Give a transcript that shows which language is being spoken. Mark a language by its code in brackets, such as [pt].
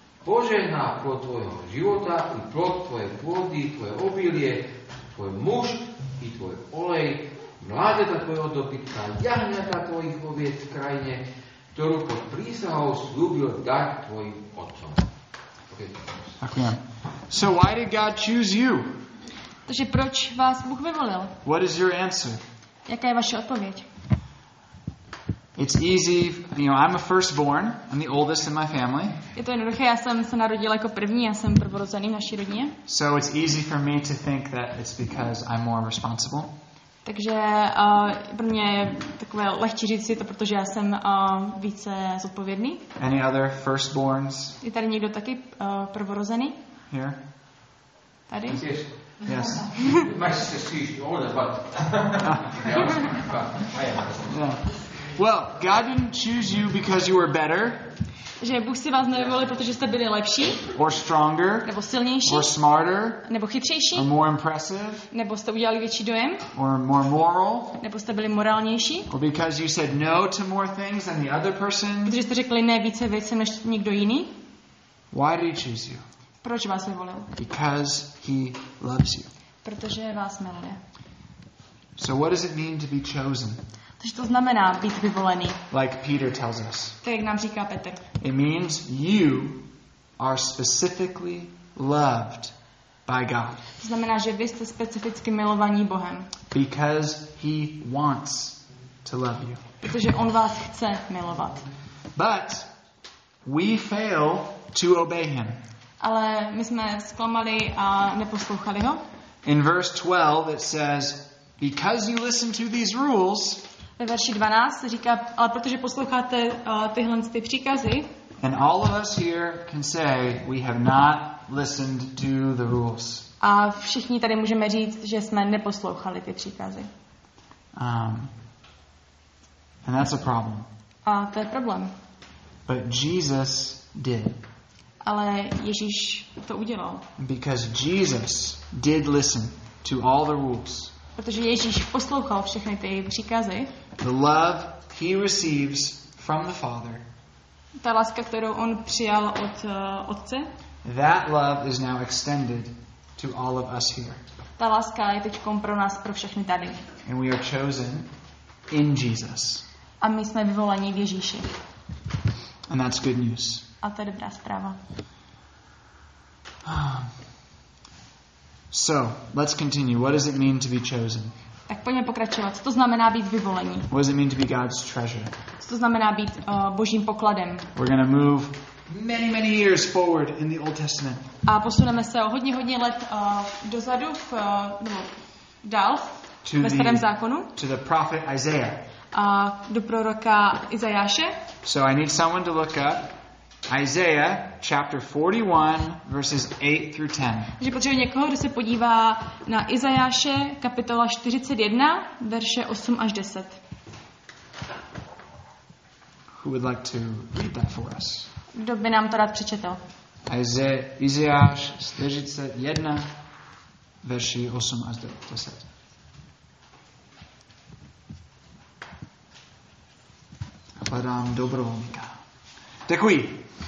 [sk] Požehná plod tvojho života i plod tvoje pôdy, tvoje obilie, tvoj muž i tvoj olej, mláďata tvojho dobytka, jahňata tvojich oviec v krajine, ktorú pod prísahou sľúbil dať tvojim otcom. Ďakujem. [en] So why did God choose you? [cs] Takže proč vás Bůh vyvolil? [en] What is your answer? [cs] Jaká je vaše odpověď? [en] It's easy, you know, I'm a firstborn, I'm the oldest in my family. [cs] Je to jednoduché, já jsem se narodil jako první, já jsem prvorozený v naší rodině. [en] So it's easy for me to think that it's because I'm more responsible. [cs] Takže pro mě je takové lehčí říct si to, protože já jsem více zodpovědný. [en] Any other firstborns? [cs] Je tady někdo taky prvorozený? [en] Here. [cs] Tady? [en] Yes. My sister is older, but I am. Well, God didn't choose you because you were better. [cs] Že Bůh si vás nevolil, protože jste byli lepší. [en] Or stronger. [cs] Nebo silnější. [en] Or smarter. [cs] Nebo chytřejší. [en] Or more impressive. [cs] Nebo jste udělali větší dojem. [en] Or more moral. [cs] Nebo jste byli morálnější. [en] Or because you said no to more things than the other person. [cs] Protože jste řekli ne více věcem než někdo jiný. [en] Why did he choose you? [cs] Proč vás vyvolil? [en] Because he loves you. [cs] Protože vás miluje. [en] So what does it mean to be chosen? [cs] Co to znamená být vyvolený? [en] Like Peter tells us. [cs] Tak jak nám říká Petr. [en] It means you are specifically loved by God. [cs] To znamená, že vy jste specificky milovaní Bohem. [en] Because he wants to love you. [cs] Protože on vás chce milovat. [en] But we fail to obey him. [cs] Ale my jsme zklamali a neposlouchali ho. [en] In verse 12 it says, because you listen to these rules. [cs] Ve verši 12 se říká, ale protože posloucháte tyhle ty příkazy. [en] And all of us here can say we have not listened to the rules. [cs] A všichni tady můžeme říct, že jsme neposlouchali ty příkazy. [en] And that's a problem. [cs] A to je problém. [en] But Jesus did. [cs] Ale Ježíš to udělal. [en] Because Jesus did listen to all the rules. [cs] Protože Ježíš poslouchal všechny ty příkazy. [en] The love he receives from the Father. [cs] Ta láska, kterou on přijal od otce. [en] That love is now extended to all of us here. [cs] Ta láska je teďkom pro nás, pro všechny tady. [en] And we are chosen in Jesus. [cs] A my jsme vyvoleni v Ježíši. [en] And that's good news. [cs] A to je dobrá zpráva. [en] So, let's continue. What does it mean to be chosen? [cs] Tak pojďme pokračovat. Co to znamená být vyvolení? [en] What does it mean to be God's treasure? [cs] Co to znamená být Božím pokladem? [en] We're going to move many, many years forward in the Old Testament. [cs] A posuneme se o hodně, hodně let dozadu, nebo dál, ve starém zákonu. [en] To the prophet Isaiah. [cs] A do proroka Izajáše. [en] So I need someone to look up Isaiah chapter 41 verses 8 through 10. [cs] Takže potřebuje někoho, kdo se podívá na Izajáše kapitola 41 verše 8 až 10. [en] Who would like to read that for us? [cs] Kdo by nám to rád přečetl? Izajáš 41 verši 8 až 10. Hledám dobrovolníka. Děkuji.